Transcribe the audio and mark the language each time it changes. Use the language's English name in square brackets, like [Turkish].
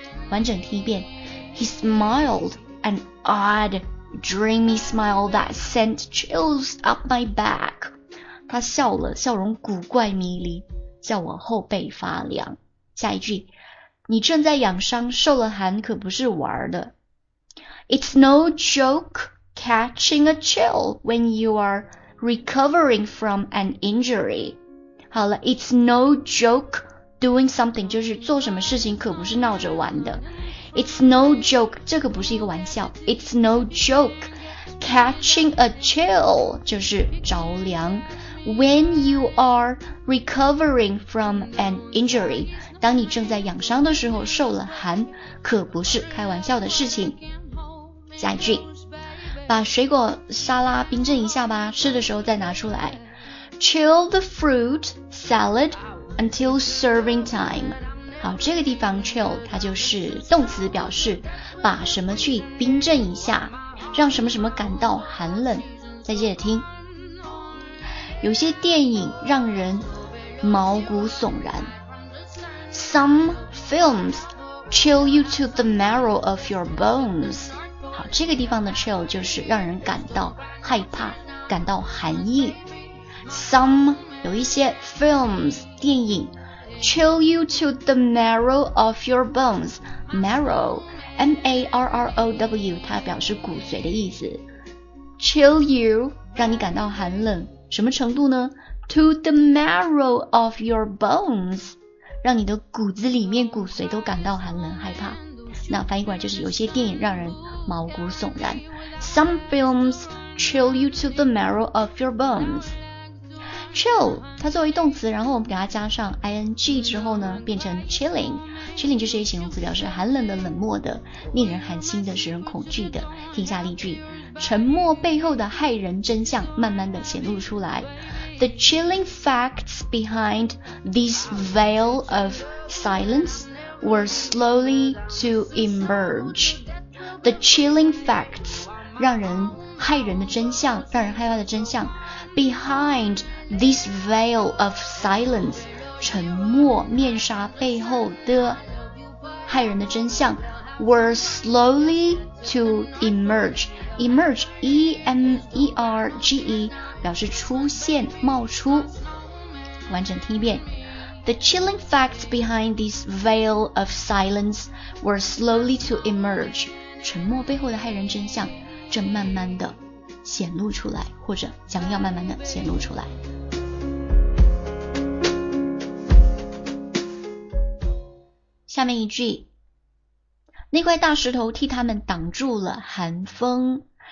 [Chinese] 完整听一遍， [English] He smiled an odd dreamy smile that sent chills up my back， [Chinese] 他笑了，笑容古怪迷离，叫我后背发凉。下一句，你正在养伤，受了寒可不是玩的。 [English] It's no joke catching a chill when you are recovering from an injury. [Chinese] 好了 ， [English] It's no joke doing something [Chinese] 就是做什么事情可不是闹着玩的。 [English] It's no joke [Chinese] 这个不是一个玩笑。 [English] It's no joke catching a chill [Chinese] 就是着凉。 [English] When you are recovering from an injury， [Chinese] 当你正在养伤的时候受了寒，可不是开玩笑的事情。下一句，把水果沙拉冰镇一下吧，吃的时候再拿出来。 [English] Chill the fruit salad until serving time。 [Chinese] 好，这个地方 chill 它就是动词，表示把什么去冰镇一下，让什么什么感到寒冷。再接着听。有些电影让人毛骨悚然。 [English] Some films chill you to the marrow of your bones。 [Chinese] 好，这个地方的 chill 就是让人感到害怕，感到寒意。 [English] Some [Chinese] 有一些 [English] films [Chinese] 电影 [English] chill you to the marrow of your bones。 [Chinese] Marrow M-A-R-R-O-W 它表示骨髓的意思。 [English] Chill you [Chinese] 让你感到寒冷。什么程度呢？ [English] To the marrow of your bones， [Chinese] 让你的骨子里面骨髓都感到寒冷害怕。那翻译过来就是有些电影让人毛骨悚然。 [English] Some films chill you to the marrow of your bones。 [Chinese] Chill 它作为动词，然后我们给它加上 ing 之后呢，变成 chilling。 Chilling 就是一形容词，表示寒冷的、冷漠的、令人寒心的、使人恐惧的。听一下例句，沉默背后的骇人真相慢慢地显露出来。 [English] The chilling facts behind this veil of silence were slowly to emerge. The chilling facts [Chinese] 让人骇人的真相，让人害怕的真相。 [English] Behind this veil of silence [Chinese] 沉默面纱背后的骇人的真相 [English] were slowly to emerge. [Chinese] Emerge, E-M-E-R-G-E, 表示出现、冒出。完整听一遍。 [English] The chilling facts behind this veil of silence were slowly to emerge. [Chinese] 沉默背后的骇人真相正慢慢地显露出来，或者将要慢慢地显露出来。下面一句，那块大石头替他们挡住了寒风。